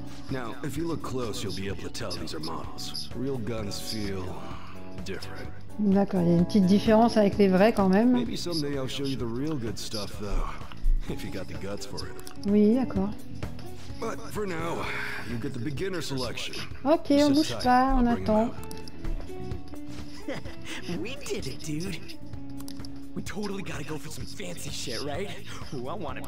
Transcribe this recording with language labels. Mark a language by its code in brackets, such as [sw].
[en] Now, if you look close, you'll be able to tell these are models. Real guns feel different. [fr] D'accord, il y a une petite différence avec les vrais quand même. [en] Maybe someday I'll show you the real good stuff, though, if you got the guts for it. [fr] Oui, d'accord. [en] But for now, you get the beginner selection. [fr] Ok, on bouge pas, on attend. [en] We did it, dude. We totally gotta go for some fancy shit, right? Well, I want it.